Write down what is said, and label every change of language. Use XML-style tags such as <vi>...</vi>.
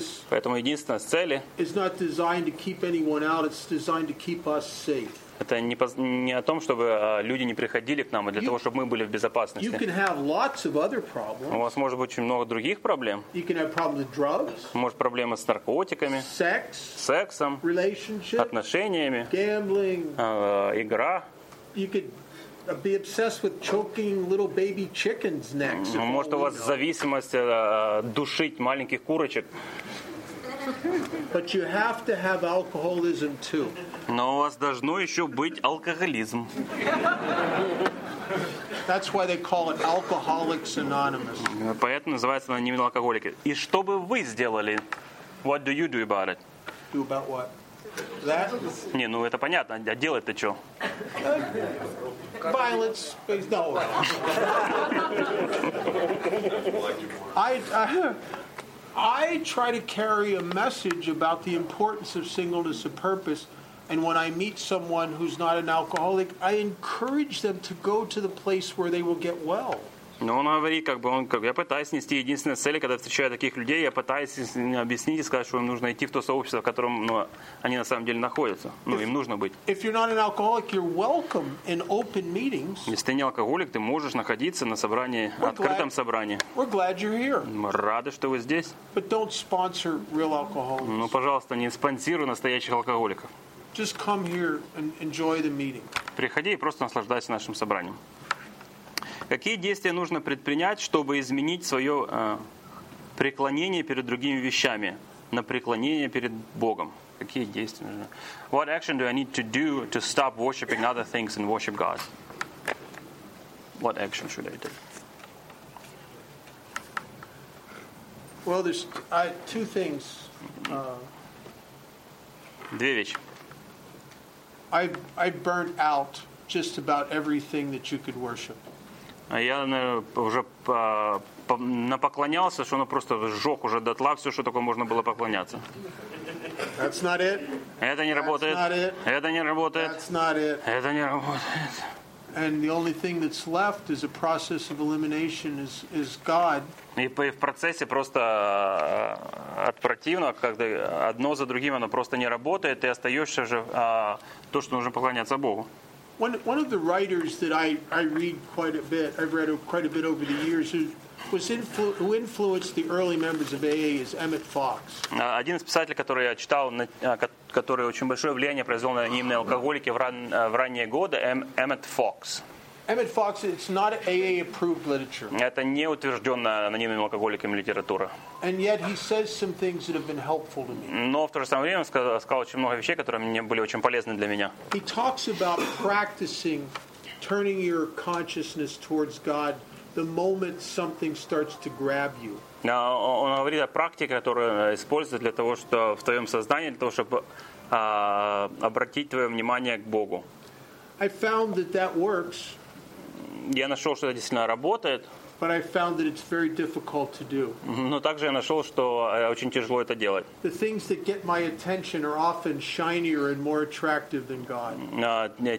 <ru>поэтому единственность цели это не о том, чтобы люди не приходили к нам, а для того, чтобы мы были в безопасности.</ru> <en>You can have lots of other problems.</en> <ru>У вас может быть очень много других проблем.</ru> <en>You can have problems with drugs,</en> <ru>может, проблемы с наркотиками, сексом,</ru> <en>relationships,</en> <ru>отношениями,</ru> <en>gambling,</en> <ru>игра.</ru> <en>You could be obsessed with choking little baby chickens next.</en> <ru>Может, у вас зависимость душить маленьких курочек.</ru> <en>But you have to have alcoholism too.</en> <ru>Но у вас должно еще быть алкоголизм.</ru> <en>That's why they call it Alcoholics Anonymous.</en> <ru>Поэтому называется она именно алкоголики. И что бы вы сделали?</ru> <en>What do you do about it? Do about what? That?</en> <ru>Не, ну это понятно. А делать-то что?</ru> <en>Violence. No. I try to carry a message about the importance of singleness of purpose, and when I meet someone who's not an alcoholic, I encourage them to go to the place where they will get well.</en> <ru>Но он говорит, я пытаюсь нести единственную цель, когда встречаю таких людей, я пытаюсь объяснить и сказать, что им нужно идти в то сообщество, в котором они на самом деле находятся. Им нужно быть.</ru> <en>If you're not an alcoholic, you're welcome in open meetings.</en> <ru>Если ты не алкоголик, ты можешь находиться на собрании, открытом собрании.</ru> <en>We're glad you're here.</en> <ru>Мы рады, что вы здесь.</ru> <en>But don't sponsor real alcoholics.</en> <ru>Пожалуйста, не спонсируй настоящих алкоголиков.</ru> <en>Just come here and enjoy the meeting.</en> <ru>Приходи и просто наслаждайся нашим собранием. Какие действия нужно предпринять, чтобы изменить свое преклонение перед другими вещами на преклонение перед Богом? Какие действия нужно?</ru> <en>What action do I need to do to stop worshiping other things and worship God? What action should I do? Well, there's two things.</en> <ru>Две вещи.</ru> <en>I burnt out just about everything that you could worship.</en> <ru>Я уже напоклонялся, что он просто сжег уже дотла все, что только можно было поклоняться.</ru> <en>That's not it.</en> <ru>Это не работает.</ru> <en>That's not it.</en> <ru>Это не работает.</ru> <en>That's not it.</en> <ru>Это не работает.</ru> <en>And the only thing that's left is a process of elimination is God.</en> <ru>И в процессе просто от противного, когда одно за другим оно просто не работает, и остаешься же то, что нужно поклоняться Богу.</ru> <en>One of the writers that I read quite a bit, I've read quite a bit over the years, who influenced the early members of AA is Emmett Fox.</en> <ru>Один из писателей, который я читал, который очень большое влияние произвел на именно алкоголики в ранние годы, Emmett Fox.</ru> <en>Emmett Fox, it's not AA approved literature.</en> <ru>Это не утвержденная анонимными алкоголиками литература.</ru> <en>And yet he says some things that have been helpful to me.</en> <ru>Но в то же самое время он сказал очень много вещей, которые мне были очень полезны для меня.</ru> <en>He talks about practicing turning your consciousness towards God the moment something starts to grab you.</en> <ru>Он говорит о практике, которую используют для того, что в твоем сознании, для того, чтобы обратить твое внимание к Богу.</ru> <en>I found that works.</en> <ru>я нашел, что это действительно работает.</ru> <en>But I found that it's very difficult to do.</en> <ru>Но также я нашел, что очень тяжело это делать.</ru> <en>The things that get my attention are often shinier and more attractive than God.</en>